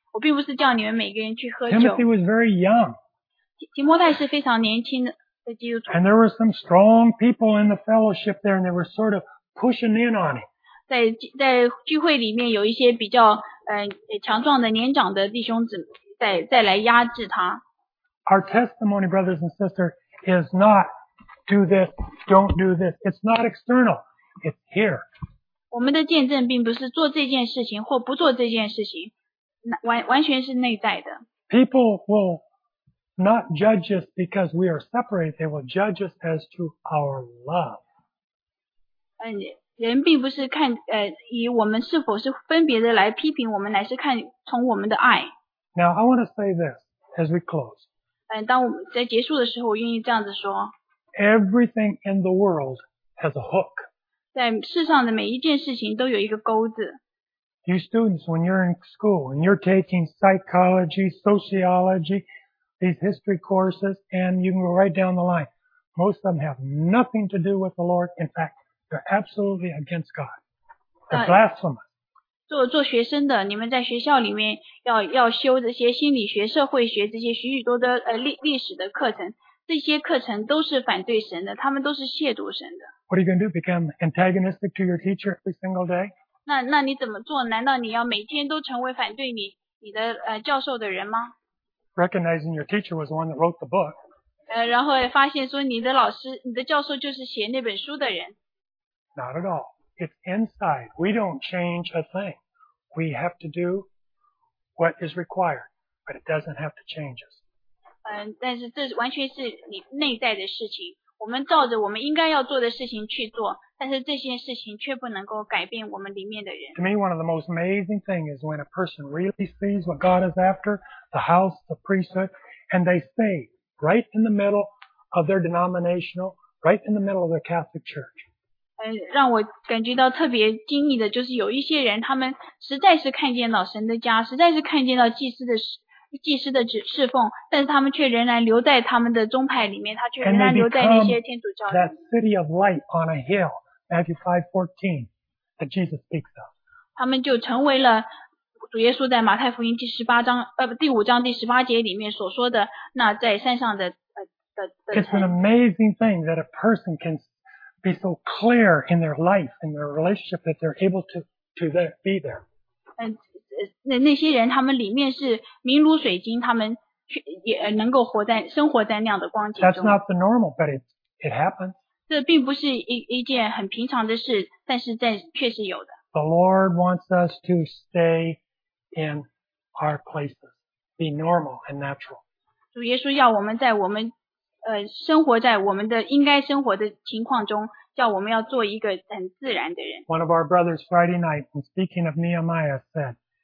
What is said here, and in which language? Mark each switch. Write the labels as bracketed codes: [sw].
[zh] 我并不是叫你们每个人去喝酒。 [en] Timothy was very young. [zh] 提摩太是非常年轻的基督徒。 [en] And there were some strong people in the fellowship there, and they were sort of pushing in on him. [zh] 在聚会里面有一些比较强壮的年长的弟兄姊妹在来压制他。 [en] Our testimony, brothers and sisters, is not do this, don't do this. It's not external. It's here. [zh] 我们的见证并不是做这件事情或不做这件事情。完全是内在的。 [en] People will not judge us because we are separated. They will judge us as to our love. [zh] 人并不是看以我们是否是分别的来批评我们，乃是看从我们的爱。 [en] Now I want to say this as we close. [zh] 当我们在结束的时候，我愿意这样子说。 [en] Everything in the world has a hook. [zh] 在世上的每一件事情都有一个钩子。 [en] You students, when you're in school and you're taking psychology, sociology, these history courses, and you can go right down the line, most of them have nothing to do with the Lord. In fact, they're absolutely against God. They're blasphemous. [zh] 做学生的，你们在学校里面要修这些心理学、社会学这些许许多的历史的课程，这些课程都是反对神的，他们都是亵渎神的。 [en] What are you going to do? Become antagonistic to your teacher every single day? [zh] 那你怎么做？难道你要每天都成为反对你的教授的人吗？ [en] Recognizing your teacher was the one that wrote the book. [zh] 然后发现说你的老师，你的教授就是写那本书的人。 [en] Not at all. It's inside. We don't change a thing. We have to do what is required, but it doesn't have to change us. [zh] 但是这完全是你内在的事情。我们照着我们应该要做的事情去做，但是这些事情却不能够改变我们里面的人。 [en] To me, one of the most amazing things is when a person really sees what God is after, the house, the priesthood, and they stay right in the middle of their denominational, right in the middle of their Catholic Church. [zh] 让我感觉到特别惊异的就是有一些人他们实在是看见老神的家，实在是看见到祭司的侍奉，但是他们却仍然留在他们的宗派里面，他却仍然留在那些天主教里面。 [en] That city of light on a hill, Matthew 5:14, that Jesus speaks of. [zh] 他们就成为了主耶稣在马太福音第五章第十八节里面所说的那在山上的 [en] It's an amazing thing that a person can be so clear in their life, in their relationship that they're able to be there. [zh] 那些人他们里面是明如水晶，他们也能够生活在那样的光景中。 [en] That's not the normal, but it happens. [zh] 这并不是一件很平常的事，但是在确实有的。 [en] The Lord wants us to stay in our places, be normal and natural. [zh] 主耶稣要我们在我们生活在我们的应该生活的情况中，叫我们要做一个很自然的人。 [en] One of our brothers Friday night, when speaking of Nehemiah, said.